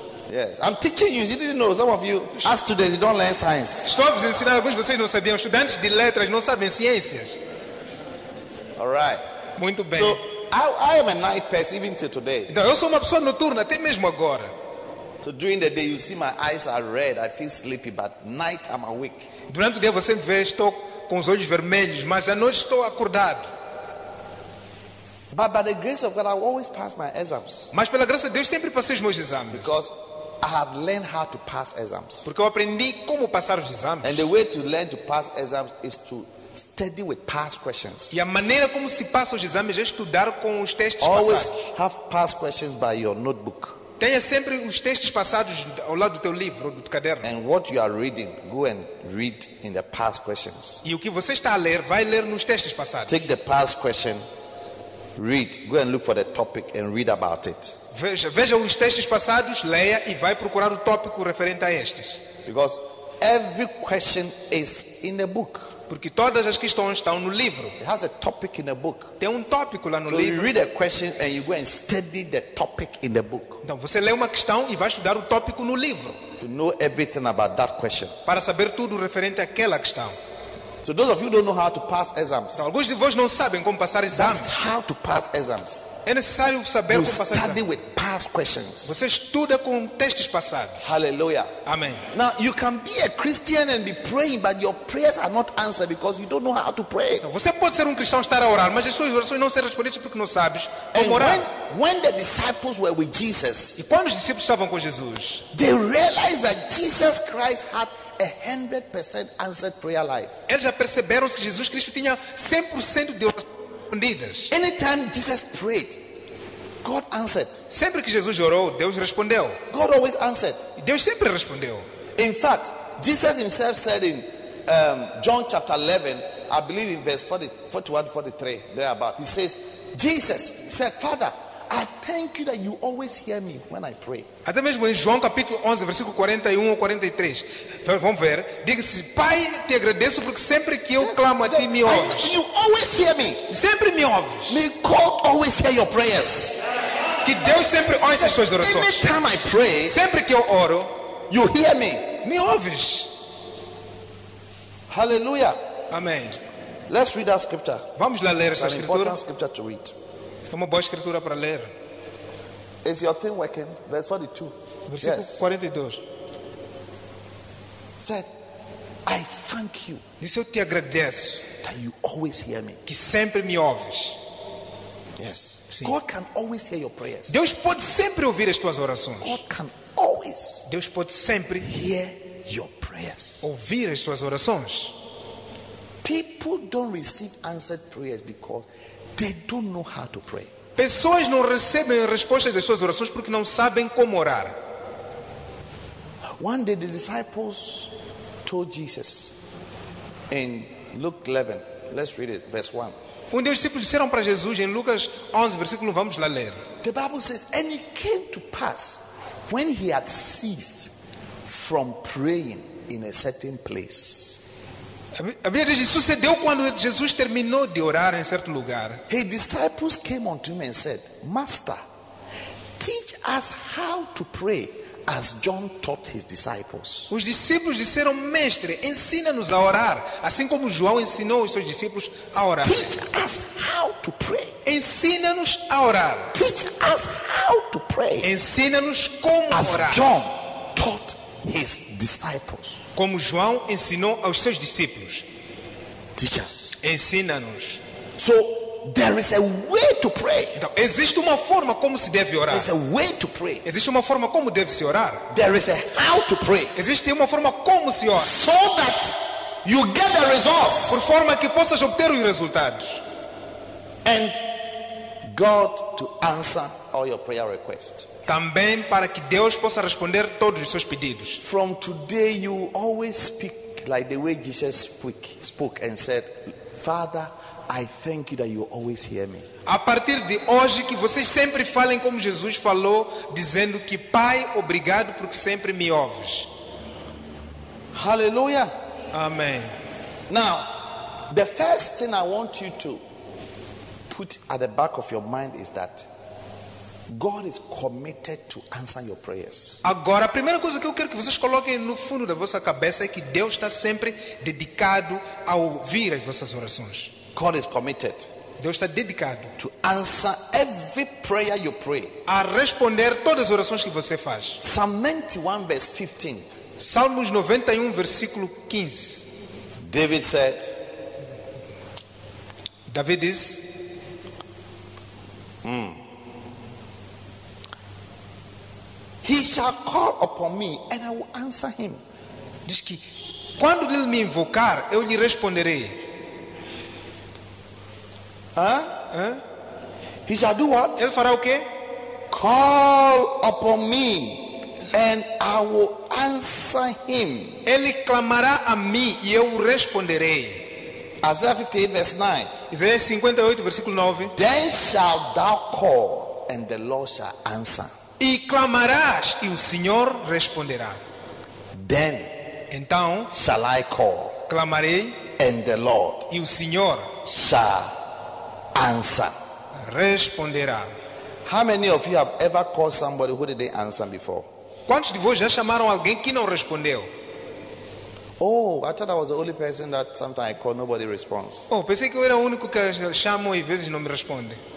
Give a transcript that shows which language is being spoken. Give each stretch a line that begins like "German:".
English: Yes. I'm teaching you. You didn't know. Some of you are students. You don't learn science.
Portuguese: Estou a ensinar. Alguns de vocês não sabiam. Estudantes de letras não sabem ciências.
English: All right.
Portuguese: Muito bem.
English: So, I am a night person even till today.
Portuguese: Então, eu sou uma pessoa noturna até mesmo agora.
English: So during the day you see my eyes are red, I feel sleepy, but night I'm awake.
Portuguese: Durante o dia você vê, estou com os olhos vermelhos, mas à noite estou acordado.
English: But by the grace of God I always pass my exams.
Portuguese: Mas pela graça de Deus sempre passei os meus exames.
English: Because I have learned how to pass exams.
Portuguese: Porque eu aprendi como passar os exames.
English: And the way to learn to pass exams is to study with past questions.
Portuguese: E a maneira como se passa os exames é estudar com os testes passados.
English: Always have past questions by your notebook.
Portuguese: Tenha sempre os testes passados ao lado do teu livro, do teu caderno.
English: And what you are reading, go and read in the past questions.
Portuguese: E o que você está a ler, vai ler nos testes passados.
English: Take the past question, read, go and look for the topic and read about it.
Portuguese: Veja os testes passados, leia e vai procurar o tópico referente a estes.
English: Because every question is in the book.
Portuguese: Porque todas as questões estão no livro.
English: It has a topic in the book.
Portuguese: Tem tópico lá no
English: so
Portuguese: livro.
English: You read a question and you go and study the topic in the book.
Portuguese: Então você lê uma questão e vai estudar o tópico no livro.
English: To know everything about that question.
Portuguese: Para saber tudo referente àquela questão.
English: So those of you don't know how to pass exams.
Portuguese: Então, alguns de vós não sabem como passar exames.
English: That's how to pass exams.
Portuguese: É necessário saber
English: you
Portuguese: como passar
English: study with past questions.
Portuguese: Você estuda com testes passados.
English: Hallelujah.
Portuguese: Amen.
English: Now you can be a Christian and be praying, but your prayers are not answered because you don't know how to pray.
Portuguese: Então, você pode ser um cristão estar a orar, mas as suas orações não serão respondidas porque não sabes como orar.
English: When the disciples were with Jesus,
Portuguese: e quando os discípulos estavam com Jesus,
English: they realized that Jesus Christ had 100% answered prayer life.
Portuguese: Eles já perceberam que Jesus Cristo tinha 100% de oração.
English: Anytime Jesus prayed, God answered.
Portuguese: Sempre que Jesus orou, Deus respondeu.
English: God always answered.
Portuguese: Deus sempre respondeu.
English: In fact, Jesus himself said in John chapter 11, I believe in verse 41-43, thereabout. He says, Jesus said, Father, I thank you that you always hear me when I pray.
Portuguese: Até mesmo em João capítulo 11, versículo 41-43. Então, vamos ver. Diga-se, Pai, te agradeço porque sempre que eu clamo a ti, me ouves.
English: You always hear me.
Portuguese: Sempre me ouves.
English: May God always hear your prayers.
Portuguese: Que Deus sempre ouça as suas orações.
English: Every time I pray,
Portuguese: sempre que eu oro,
English: you hear me.
Portuguese: Me ouves.
English: Hallelujah.
Portuguese: Amém.
English: Let's read our scripture.
Portuguese: Vamos lá ler essa
English: an
Portuguese: escritura.
English: Important scripture to read.
Portuguese: É uma boa escritura para ler.
English: Is your thing working? Verse 42.
Portuguese: Versículo 42.
English: Said, I thank you.
Portuguese: Disse, eu te agradeço.
English: That you always hear me.
Portuguese: Que sempre me ouves.
English: Yes.
Portuguese: Sim.
English: God can always hear your prayers.
Portuguese: Deus pode sempre ouvir as tuas orações.
English: God can always.
Portuguese: Deus pode sempre
English: hear your prayers.
Portuguese: Ouvir as suas orações.
English: People don't receive answered prayers because they don't know how to pray.
Portuguese: Pessoas não recebem respostas às suas orações porque não sabem como orar.
English: One day the disciples told Jesus in Luke 11. Let's read it, verse 1.
Portuguese: Um dia os discípulos disseram para Jesus em Lucas 11, versículo 1, vamos lá ler.
English: The Bible says, and it came to pass when he had ceased from praying in a certain place.
Portuguese: A Bíblia diz, sucedeu quando Jesus terminou de orar em certo lugar.
English: His disciples came unto him and said, Master, teach us how to pray as John taught his disciples.
Portuguese: Os discípulos disseram, Mestre, ensina-nos a orar, assim como João ensinou os seus discípulos a orar.
English: Teach us how to pray.
Portuguese: Ensina-nos a orar.
English: Teach us how to pray.
Portuguese: Ensina-nos como
English: as
Portuguese: orar.
English: As John taught his disciples.
Portuguese: Como João ensinou aos seus discípulos.
English: Teach us.
Portuguese: Ensina-nos.
English: So there is a way to pray.
Portuguese: Então, existe uma forma como se deve orar.
English: There is a way to pray.
Portuguese: Existe uma forma como deve se orar.
English: There is a how to pray.
Portuguese: Existe uma forma como se ora.
English: So that you get the results.
Portuguese: Por forma que possas obter os resultados.
English: And God to answer all your prayer requests.
Portuguese: Também para que Deus possa responder todos os seus pedidos.
English: From today you always speak like the way Jesus spoke and said, Father, I thank you that you always hear me.
Portuguese: A partir de hoje que vocês sempre falem como Jesus falou, dizendo que Pai, obrigado porque sempre me ouves.
English: Hallelujah.
Portuguese: Amen.
English: Now, the first thing I want you to put at the back of your mind is that God is committed to answer your prayers.
Portuguese: Agora, a primeira coisa que eu quero que vocês coloquem no fundo da vossa cabeça é que Deus está sempre dedicado a ouvir as vossas orações.
English: God is committed.
Portuguese: Deus está dedicado
English: to answer every prayer you pray.
Portuguese: A responder todas as orações que você faz.
English: Psalm 91 verse 15.
Portuguese: Salmos 91 versículo 15.
English: David said.
Portuguese: David is.
English: He shall call upon me and I will answer him.
Portuguese: Diz que quando ele me invocar, eu lhe responderei.
English: He shall do what?
Portuguese: Ele fará o quê?
English: Call upon me and I will answer him.
Portuguese: Ele clamará a mim e eu responderei.
English: Isaiah 58 verse 9.
Portuguese: Isaías 58 versículo 9.
English: Then shalt thou call and the Lord shall answer.
Portuguese: E clamarás e o Senhor responderá.
English: Then,
Portuguese: então,
English: shall I call.
Portuguese: Clamarei
English: and the Lord.
Portuguese: E o Senhor
English: shall answer.
Portuguese: Responderá.
English: How many of you have ever called somebody who didn't answer before?
Portuguese: Quantos de vocês já chamaram alguém que não respondeu?
English: Oh, I thought I was the only person that sometimes I call, nobody responds.
Portuguese: Oh, pensei que eu era o único que chamo e vezes não me responde.